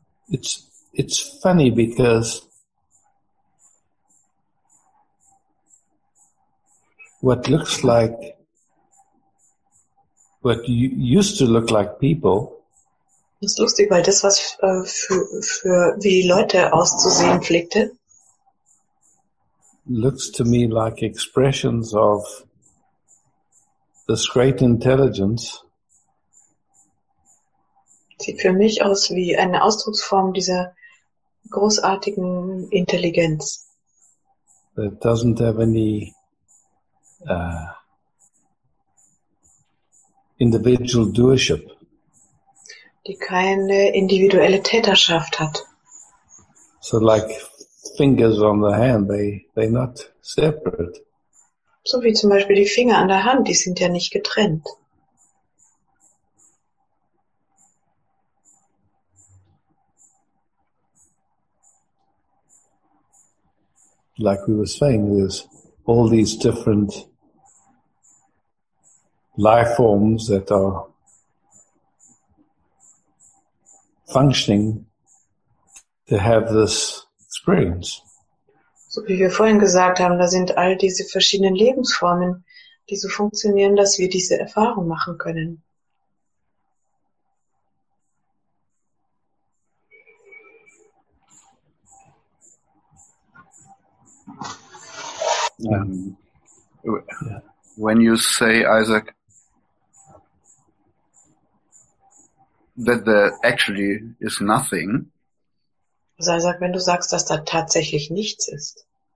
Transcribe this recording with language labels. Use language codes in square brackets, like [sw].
[en] It's funny because what looks like, what used to look like people. [de] Das ist lustig, weil das, was für wie die Leute auszusehen pflegte, [en] looks to me like expressions of this great intelligence. [de] Sieht für mich aus wie eine Ausdrucksform dieser großartigen Intelligenz. [en] That doesn't have any individual doership. [de] Die keine individuelle Täterschaft hat. [en] So like fingers on the hand, they're not separate. [de] So wie zum Beispiel die Finger an der Hand, die sind ja nicht getrennt. [en] Like we were saying, there's all these different life forms that are functioning to have this experience. [de] So wie wir vorhin gesagt haben, da sind all diese verschiedenen Lebensformen, die so funktionieren, dass wir diese Erfahrung machen können. [en] When you say, Isaac, that there actually is nothing. [de] Sei sag, wenn du sagst, dass da tatsächlich nichts ist.